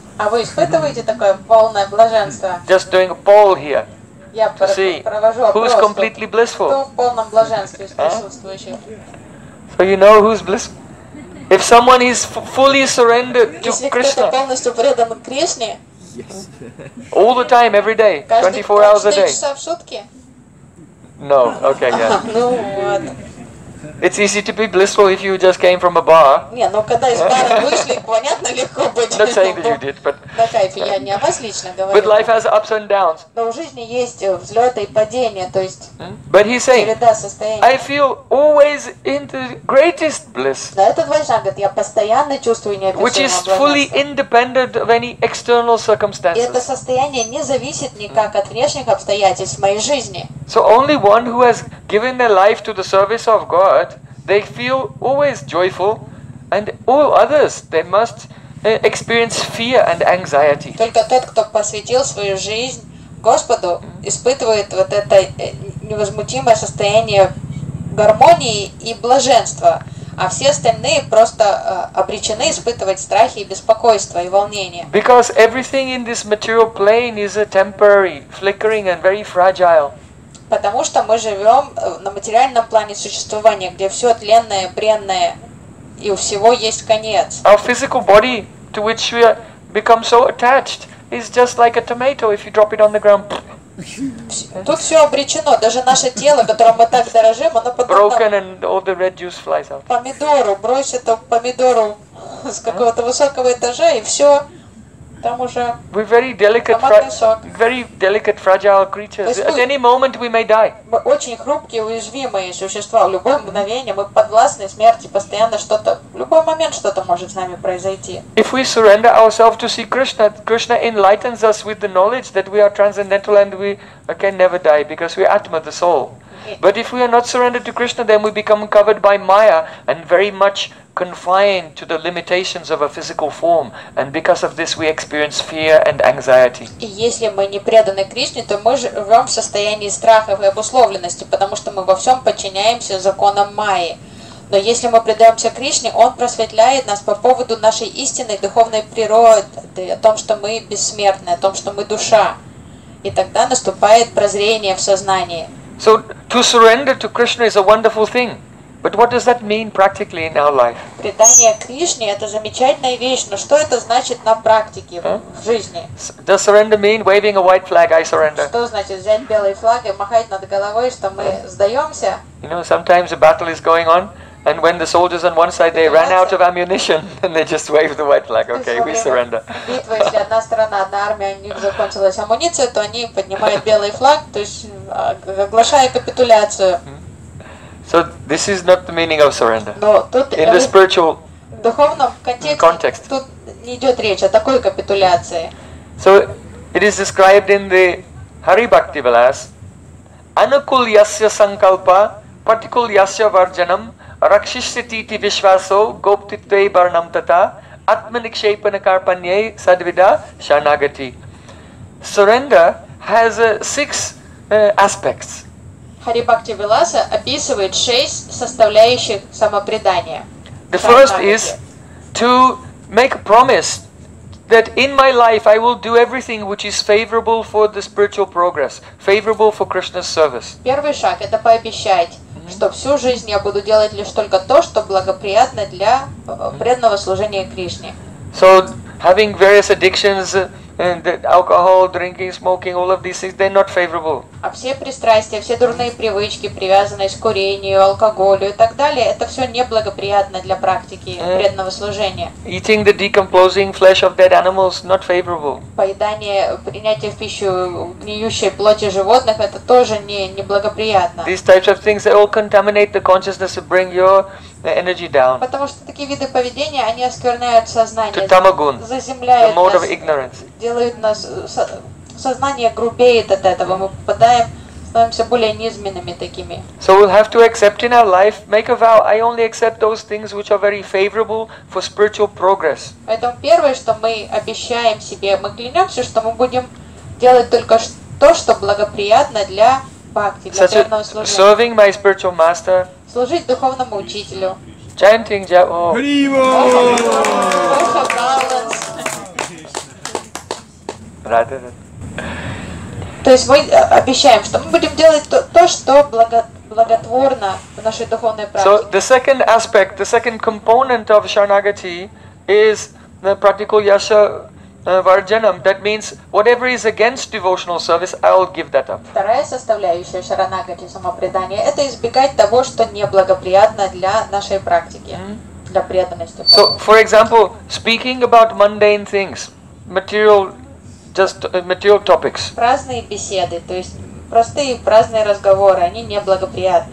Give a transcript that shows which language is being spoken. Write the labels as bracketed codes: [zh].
[ru] А вы испытываете такое полное блаженство? [en] Just doing a poll here. [ru] Я провожу опрос, кто в полном блаженстве присутствующий. [en] So you know who's blissful? If someone is fully surrendered to Krishna, [ru] если кто-то полностью предан Кришне, [en] all the time, every day, 24 hours a day. [ru] Каждые 24 часа в сутки? [en] No, okay, yeah. [ru] Ну вот. [en] It's easy to be blissful if you just came from a bar. [ru] Не, но когда из бара вышли, понятно, легко быть. [en] Not saying that you did, but. [ru] На кайфе, я не о вас лично говорю. [en] But life has ups and downs. [ru] Но в жизни есть взлеты и падения, то есть. [en] But he's saying. [ru] Череда состояния. [en] I feel always in the greatest bliss. [ru] Да, это двойная год. Я постоянно чувствую неописуемое. [en] Which is fully independent of any external circumstances. [ru] Это состояние не зависит никак от внешних обстоятельств моей жизни. [en] So only one who has given their life to the service of God, they feel always joyful, and all others, they must experience fear and anxiety. [ru] Только тот, кто посвятил свою жизнь Господу, испытывает вот это невозмутимое состояние гармонии и блаженства, а все остальные просто обречены испытывать страхи и беспокойство и волнение. [en] Because everything in this material plane is a temporary, flickering and very fragile. [ru] Потому что мы живем на материальном плане существования, где все тленное, бренное, и у всего есть конец. [en] Our physical body, to which we become so attached, is just like a tomato. If you drop it on the ground, [ru] тут все обречено. Даже наше тело, которым мы так дорожим, оно потом. [en] Broken and all the red juice flies out. [ru] Помидору, брось это помидору с какого-то высокого этажа и все. [en] We're very delicate, fragile creatures. At any moment we may die. [ru] Мы очень хрупкие, уязвимые существа. В любое мгновение мы подвластны смерти. Постоянно что-то, в любой момент что-то может с нами произойти. [en] If we surrender ourselves to see Krishna, Krishna enlightens us with the knowledge that we are transcendental and we can never die because we are Atma, the soul. But if we are not surrendered to Krishna, then we become covered by Maya and very much confined to the limitations of a physical form, and because of this, we experience fear and anxiety. [ru] И если мы не преданы Кришне, то мы живем в состоянии страха и обусловленности, потому что мы во всем подчиняемся законам Майи. Но если мы предаемся Кришне, Он просветляет нас по поводу нашей истинной духовной природы, о том, что мы бессмертны, о том, что мы душа, и тогда наступает прозрение в сознании. [en] So to surrender to Krishna is a wonderful thing. But what does that mean practically in our life? [ru] Предание Кришне это замечательная вещь, но что это значит на практике в жизни? [en] Does surrender mean waving a white flag, I surrender? [ru] Что значит взять белый флаг и махать над головой, что мы сдаемся? [en] You know, sometimes a battle is going on. And when the soldiers on one side, they ran out of ammunition, and they just wave the white flag, okay, we surrender. [ru] Битва, если одна сторона, одна армия, у них закончилась амуниция, то они поднимают белый флаг, то есть оглашая капитуляцию. [en] So this is not the meaning of surrender. [ru] Но тут [en] in the spiritual [ru] духовном контексте тут не идет речь о такой капитуляции. [en] So it is described in the Hari Bhakti Vilas, [sa] Anukul yasya sankalpa, Pratikul yasya varjanam, Rakshishtiti Vishvaso, Goptitve Barnam Tata, Atmanikshepana Karpanye, Sadvida, Sharnagati. [en] Surrender has six aspects. [ru] Hari Bhakti Vilasa описывает шесть составляющих самопредания. [en] The first is to make a promise that in my life I will do everything which is favorable for the spiritual progress, favorable for Krishna's service. [ru] Первый шаг это пообещать. Что всю жизнь я буду делать лишь только то, что благоприятно для преданного служения Кришне. [en] So having various addictions, alcohol, drinking, smoking, all of these things, they're not favorable. [ru] А все пристрастия, все дурные привычки, привязанность к курению, алкоголю и так далее, это все неблагоприятно для практики преданного служения. [en] Eating the decomposing flesh of dead animals, not favorable. [ru] Поедание, принятие в пищу гниющей плоти животных, это тоже неблагоприятно. [en] These types of things, they all contaminate the consciousness and bring your energy down. [ru] Потому что такие виды поведения, они оскверняют сознание. [en] To tamagun, [ru] заземляют [en] the mode [ru] нас, [en] of ignorance. [ru] Делают нас... Сознание грубеет от этого, мы попадаем, становимся более низменными такими. [en] So we'll have to accept in our life, make a vow, I only accept those things which are very favorable for spiritual progress. [ru] Поэтому первое, что мы обещаем себе, мы клянемся, что мы будем делать только то, что благоприятно для бхакти, для преданного служения. [en] Serving my spiritual master. [ru] Служить духовному учителю. [en] Chanting Japo. Hariwo! [ru] То есть мы обещаем, что мы будем делать то, что благотворно в нашей духовной практике. [en] So the second aspect, the second component of Sharanagati is the practical yasha Varjanam, that means whatever is against devotional service, I will give that up. [ru] Вторая составляющая шаранагати самопредания – это избегать того, что неблагоприятно для нашей практики, для преданности. [en] So, for example, speaking about mundane things, material, just material topics. [ru] Праздные беседы, то есть простые праздные разговоры, они неблагоприятны.